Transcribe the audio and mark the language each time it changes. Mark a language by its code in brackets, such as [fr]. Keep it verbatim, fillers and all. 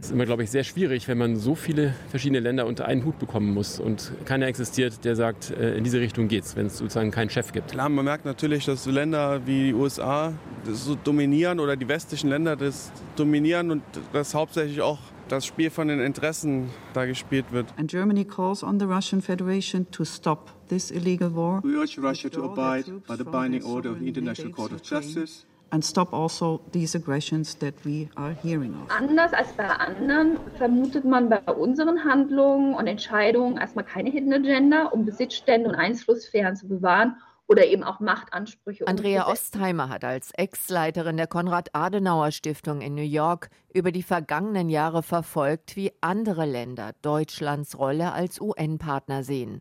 [de] Es ist immer, glaube ich, sehr schwierig, wenn man so viele verschiedene Länder unter einen Hut bekommen muss und keiner existiert, der sagt, in diese Richtung geht's, wenn es sozusagen keinen Chef gibt. Klar, man merkt natürlich, dass Länder wie die U S A das so dominieren oder die westlichen Länder das dominieren und das hauptsächlich auch das Spiel von den Interessen da gespielt wird. [en] And Germany calls on the Russian Federation to stop this illegal war. We urge Russia to abide by the binding order of the International Court of Justice. And stop also these aggressions that we are hearing of. [de] Anders als bei anderen vermutet man bei unseren Handlungen und Entscheidungen erstmal keine Hidden Agenda, um Besitzstände und Einflusssphären zu bewahren. Oder eben auch Machtansprüche. Andrea Ostheimer hat als Ex-Leiterin der Konrad-Adenauer-Stiftung in New York über die vergangenen Jahre verfolgt, wie andere Länder Deutschlands Rolle als U N-Partner sehen.